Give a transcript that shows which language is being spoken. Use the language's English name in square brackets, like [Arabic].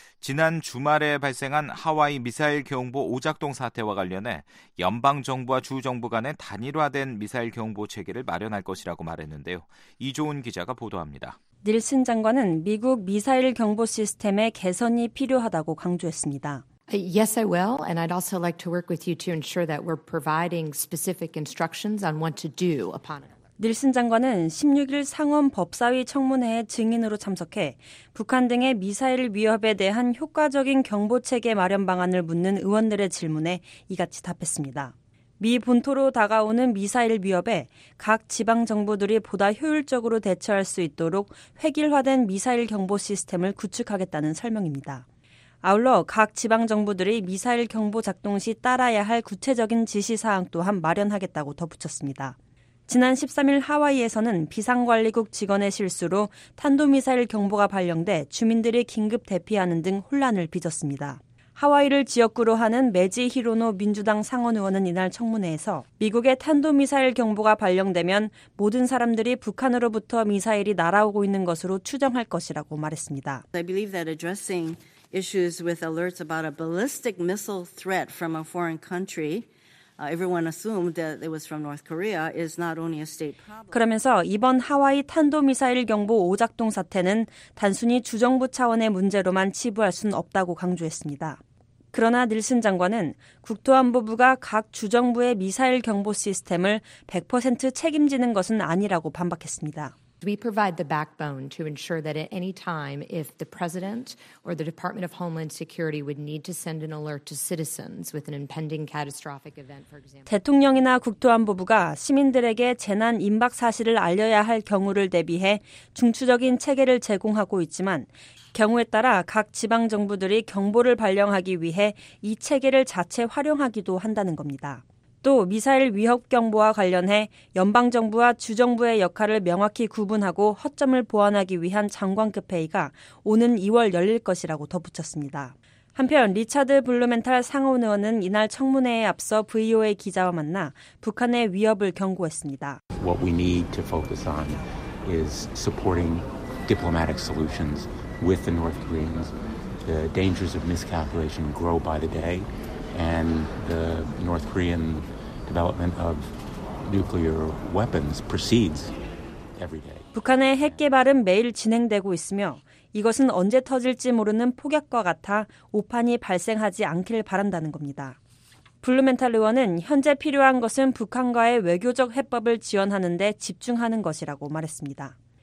[Korean] 지난 주말에 발생한 하와이 미사일 경보 오작동 사태와 관련해 연방정부와 주정부 간의 단일화된 미사일 경보 체계를 마련할 것이라고 말했는데요. 이조은 기자가 보도합니다. 닐슨 장관은 미국 미사일 경보 시스템의 개선이 필요하다고 강조했습니다. [English] Yes, I will, and I'd also like to work with you to ensure that we're providing specific instructions on what to do upon it. [Korean] 닐슨 장관은 16일 상원 법사위 청문회에 증인으로 참석해 북한 등의 미사일 위협에 대한 효과적인 경보 체계 마련 방안을 묻는 의원들의 질문에 이같이 답했습니다. 미 본토로 다가오는 미사일 위협에 각 지방 정부들이 보다 효율적으로 대처할 수 있도록 획일화된 미사일 경보 시스템을 구축하겠다는 설명입니다. 아울러 각 지방정부들이 미사일 경보 작동 시 따라야 할 구체적인 지시사항 또한 마련하겠다고 덧붙였습니다. 지난 13일 하와이에서는 비상관리국 직원의 실수로 탄도미사일 경보가 발령돼 주민들이 긴급 대피하는 등 혼란을 빚었습니다. 하와이를 지역구로 하는 매지 히로노 민주당 상원의원은 이날 청문회에서 미국의 탄도미사일 경보가 발령되면 모든 사람들이 북한으로부터 미사일이 날아오고 있는 것으로 추정할 것이라고 말했습니다. [English] I believe that addressing issues with alerts about a ballistic missile threat from a foreign country, everyone assumed that it was from North Korea, is not only a state problem. [Korean] 그러면서 이번 하와이 탄도미사일 경보 오작동 사태는 단순히 주정부 차원의 문제로만 치부할 순 없다고 강조했습니다. 그러나 닐슨 장관은 국토안보부가 각 주정부의 미사일 경보 시스템을 100% 책임지는 것은 아니라고 반박했습니다. [English] We provide the backbone to ensure that at any time, if the president or the Department of Homeland Security would need to send an alert to citizens with an impending catastrophic event, for example, [Korean] 대통령이나 국토안보부가 시민들에게 재난 임박 사실을 알려야 할 경우를 대비해 중추적인 체계를 제공하고 있지만 경우에 따라 각 지방 정부들이 경보를 발령하기 위해 이 체계를 자체 활용하기도 한다는 겁니다. 또 미사일 위협 경보와 관련해 연방정부와 주정부의 역할을 명확히 구분하고 허점을 보완하기 위한 장관급 회의가 오는 2월 열릴 것이라고 덧붙였습니다. 한편 리차드 블루멘탈 상원 의원은 이날 청문회에 앞서 VOA 기자와 만나 북한의 위협을 경고했습니다. [English] What we need to focus on is supporting diplomatic solutions with the North Koreans. The dangers of miscalculation grow by the day. And the North Korean development of nuclear weapons proceeds every day. [Korean] 북한의 핵 개발은 매일 진행되고 있으며 이것은 언제 터질지 모르는 폭약과 같아 오판이 발생하지 않길 바란다는 겁니다. 블루멘탈 의원은 현재 필요한 것은 북한과의 외교적 해법을 지원하는 데 집중하는 것이라고 말했습니다.